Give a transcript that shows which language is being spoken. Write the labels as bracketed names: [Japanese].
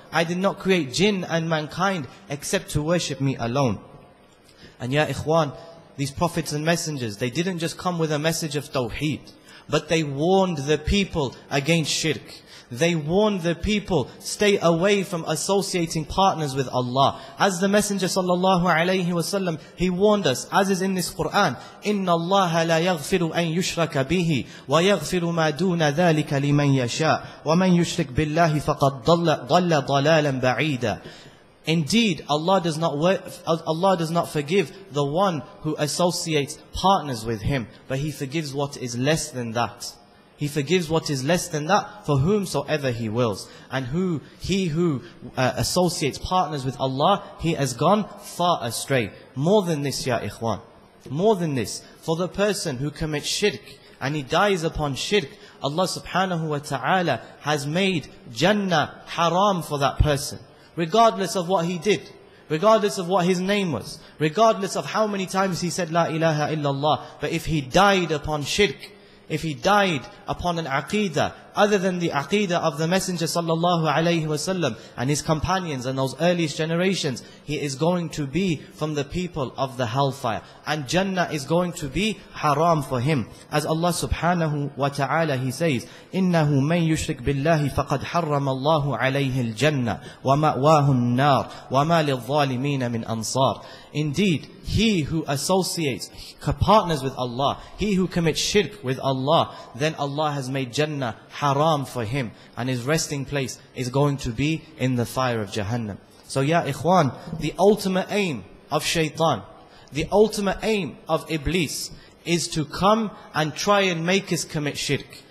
[English] I did not create jinn and mankind except to worship me alone. And ya ikhwan, these prophets and messengers, they didn't just come with a message of tawheed, but they warned the people against shirk. They warned the people, stay away from associating partners with Allah. As the Messenger sallallahu alayhi wa sallam, he warned us, as is in this Quran, [Arabic] إِنَّ اللَّهَ لَا يَغْفِرُ أَن يُشْرَكَ بِهِ وَيَغْفِرُ مَا دُونَ ذَلِكَ لِمَن يَشَاءُ وَمَن يُشْرِكْ بِاللَّهِ فَقَدْ ضَلَّ ضَلَالًا بَعِيدًا. [English] Indeed, Allah does not forgive the one who associates partners with him, but he forgives what is less than that. He forgives what is less than that for whomsoever he wills. And he who associates partners with Allah, he has gone far astray. More than this, ya ikhwan. More than this, for the person who commits shirk and he dies upon shirk, Allah subhanahu wa ta'ala has made Jannah haram for that person. Regardless of what he did, regardless of what his name was, regardless of how many times he said La ilaha illallah, but if he died upon shirk, if he died upon an aqeedah, other than the aqeedah of the Messenger sallallahu alayhi wa sallam and his companions and those earliest generations, he is going to be from the people of the hellfire. And Jannah is going to be haram for him. As Allah subhanahu wa ta'ala, he says, [Arabic] إِنَّهُ مَنْ يُشْرِكْ بِاللَّهِ فَقَدْ حَرَّمَ اللَّهُ عَلَيْهِ الْجَنَّةِ وَمَأْوَاهُ النَّارِ وَمَا لِلظَّالِمِينَ مِنْ أَنصَارِ. [English] Indeed, he who associates, partners with Allah, he who commits shirk with Allah, then Allah has made Jannah haram. haram for him, and his resting place is going to be in the fire of Jahannam. So ya ikhwan, the ultimate aim of shaitan, the ultimate aim of Iblis is to come and try and make us commit shirk.